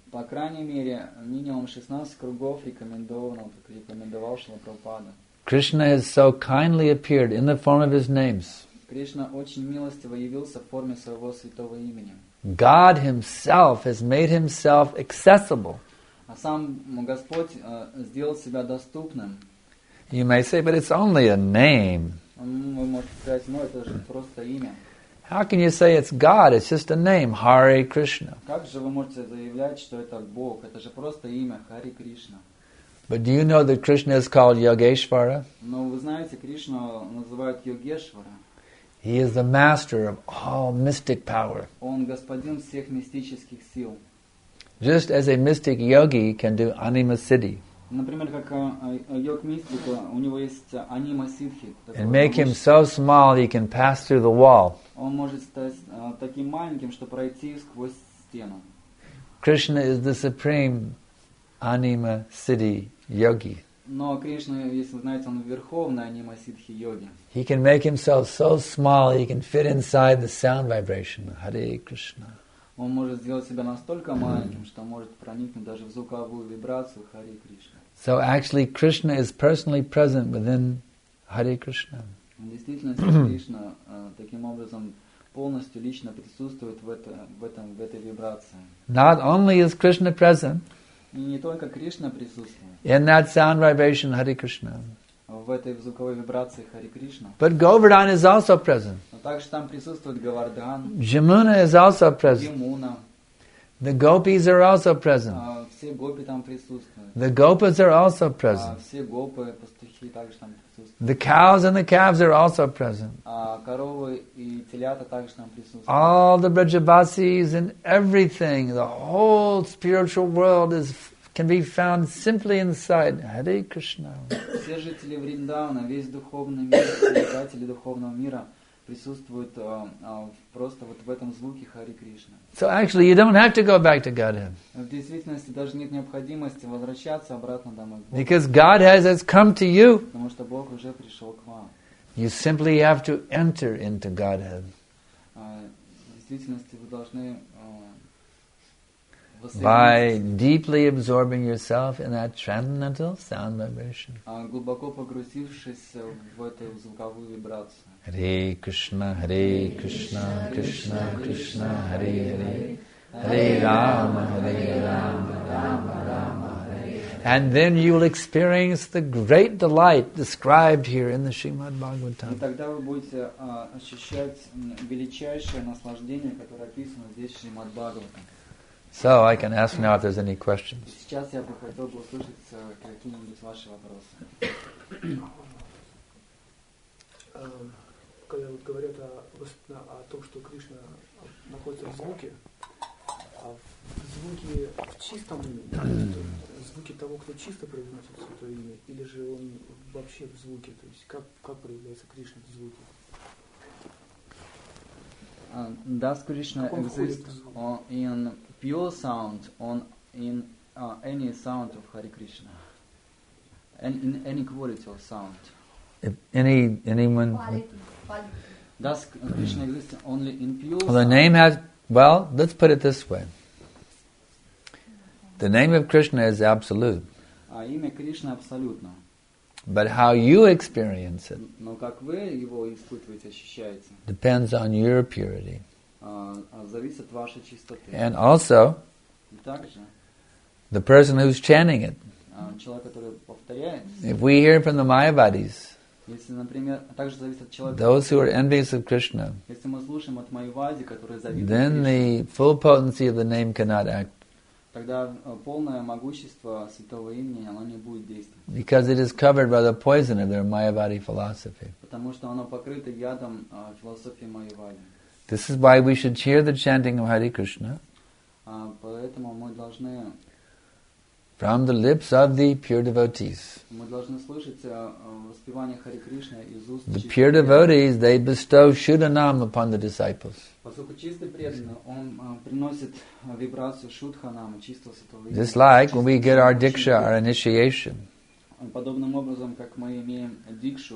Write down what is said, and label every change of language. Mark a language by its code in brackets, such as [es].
[ru] По крайней мере, минимум 16 кругов рекомендовано, как рекомендовал Шрила Прабхупада. [en] Krishna has so kindly appeared in the form of his names. [ru] Кришна очень милостиво явился в форме своего святого имени. [en] God himself has made himself accessible. [ru] А сам Господь сделал себя доступным. [en] You may say, but it's only a name. [ru] Вы можете сказать, ну это же просто имя. [en] How can you say it's God? It's just a name, Hare Krishna. [ru] Как же вы можете заявлять, что это Бог? Это же просто имя, Hare Krishna. [en] But do you know that Krishna is called Yogeshwara? [ru] Но вы знаете, Кришну называют Йогешвара. [en] He is the master of all mystic power. [ru] Он господин всех мистических сил. [en] Just as a mystic yogi can do anima siddhi. [ru] Например, как йог-мистик, у него есть анима сиддхи. [en] And make him so small he can pass through the wall. [ru] Он может стать таким маленьким, что пройти сквозь стену. [en] Krishna is the supreme anima siddhi yogi. [ru] Но Кришна, если вы знаете, он верховный анима сиддхи йоги. [en] He can make himself so small he can fit inside the sound vibration. Hare Krishna. [ru] Он может сделать себя настолько маленьким, что может проникнуть даже в звуковую вибрацию Хари Кришна. [en] So actually Krishna is personally present within Hare Krishna. [ru] В действительности Кришна таким образом полностью лично присутствует в этой вибрации. [en] Not only is Krishna present. [ru] И не только Кришна присутствует. [en] In that sound vibration Hare Krishna. [ru] В этой звуковой вибрации Хари Кришна. [en] But Govardhan is also present. [ru] Также там присутствует Говардхан. [en] Jamuna is also present. Yamuna. The gopis are also present. [ru] Все гопи там присутствуют. [en] The gopas are also present. [ru] Все гопы, пастухи также там присутствуют. [en] The cows and the calves are also present. [ru] Коровы и телята также там присутствуют. [en] All the Brajavasis and everything, the whole spiritual world is can be found simply inside Hare Krishna. [ru] Все жители Вриндавана, весь духовный мир, обитатели духовного мира присутствуют просто вот в этом звуке Хари Кришна. [en] So actually, you don't have to go back to Godhead. [ru] В действительности даже нет необходимости возвращаться обратно домой. [en] Because God has come to you. [ru] Потому что Бог уже пришел к вам. [en] You simply have to enter into Godhead. [ru] В действительности вы должны [en] by deeply absorbing yourself in that transcendental sound vibration. [ru] Глубоко погрузившись в эту звуковую вибрацию. [sa] Hare Krishna, Hare Krishna, Krishna Krishna, Hare Hare. Hare Rama, Hare Rama, Rama Rama, Hare Hare. [en] And then you will experience the great delight described here in the Srimad Bhagavatam. [ru] Тогда вы будете ощущать величайшее наслаждение, которое описано здесь в Шримад Бхагаватам. [en] So I can ask now if there's any questions. [ru] Сейчас я бы хотел бы услышать какие-нибудь ваши вопросы. Когда вот говорят о том, что Кришна находится в звуке, а в звуке в чистом уме, звуки того, кто чисто произносит святое имя, или же он вообще в звуке, то есть как проявляется Кришна в звуке? [en] Does Krishna exist in pure sound, on in any sound of Hare Krishna, and in any quality of sound? If anyone does Krishna exist only in pure sound? Well, the name has. Well, let's put it this way. The name of Krishna is absolute. [ru] Имя Кришны абсолютно. [en] But how you experience it? [ru] Но как вы его испытываете, ощущаете? [en] Depends on your purity. [ru] Зависит ваша чистота. [en] And also, [ru] также, [en] the person who's chanting it. [ru] Человек, который повторяет. [en] If we hear from the Mayavadis, [ru] если, например, также зависит от человека. [en] Those who are envious of Krishna. [ru] Если мы слушаем от Майявади, которые завидуют Кришне. [en] Then the full potency of the name cannot act. [ru] Тогда полное могущество святого имени, оно не будет действовать. [en] Because it is covered by the poison of their Mayavadi philosophy. [ru] Потому что оно покрыто ядом философии Майявади. [en] This is why we should hear the chanting of Hare Krishna. [ru] Поэтому мы должны [en] from the lips of the pure devotees. [ru] Мы должны слышать воспевание Хари Кришны из уст. [en] The pure devotees, they bestow Shuddhanam upon the disciples. [ru] Поскольку чистый преданный, он приносит вибрацию Шуддханам, чистого святого имени. [en] Just like when we get our Diksha, our initiation. [ru] Подобным образом, как мы имеем дикшу.